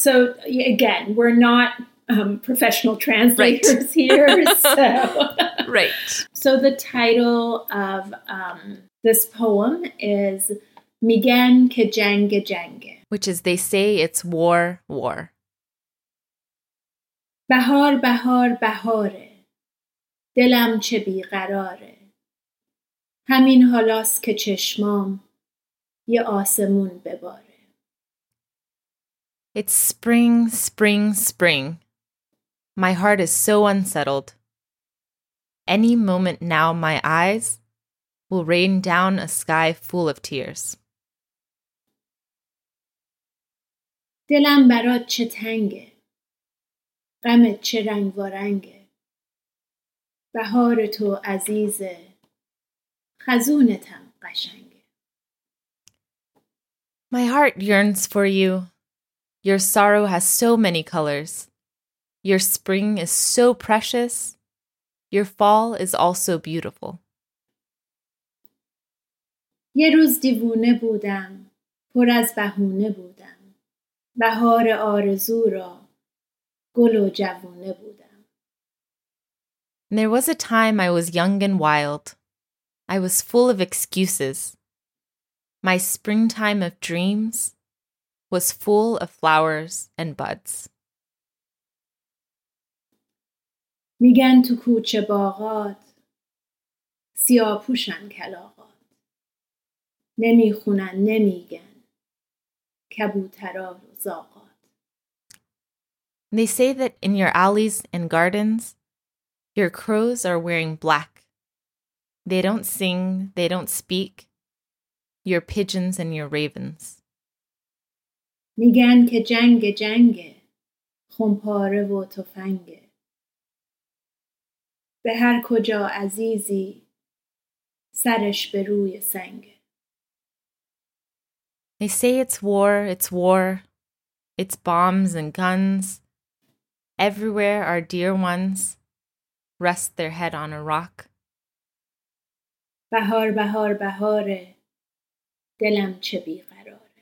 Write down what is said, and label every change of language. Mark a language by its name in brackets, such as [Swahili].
[English] So again, we're not professional translators right. here. So. Right. So the title of this poem is Migen Kejenge Jenge. Which is, they say it's war, war. [Persian] بهار بهار بهاره دلم چه بیقراره همین حالاست که چشمام یه آسمون بباره. [English] It's spring, spring, spring. My heart is so unsettled. Any moment now my eyes will rain down a sky full of tears. [Persian] دلم برات چه تنگه غمت چه رنگ و رنگه بهار تو عزیزه خزونتم قشنگه. [English] My heart yearns for you. Your sorrow has so many colors. Your spring is so precious. Your fall is also beautiful. [Persian] یه روز دیوونه بودم پر از بهونه بودم بهار آرزو را گل و جوونه بودم. [English] There was a time I was young and wild. I was full of excuses. My springtime of dreams was full of flowers and buds. [Persian] میگن تو کوچه باغات سیاپوشن کلاغات نمیخونن نمیگن کبوترا رو زاغا. [English] They say that in your alleys and gardens, your crows are wearing black. They don't sing, they don't speak, your pigeons and your ravens. [Persian] میگن که جنگ جنگ خمپاره و تفنگ به هر کجا عزیزی سرش به روی سنگ. [English] They say it's war, it's war, it's bombs and guns. Everywhere our dear ones rest their head on a rock. [Persian] Bahar, bahar, bahare, delam che biqarare.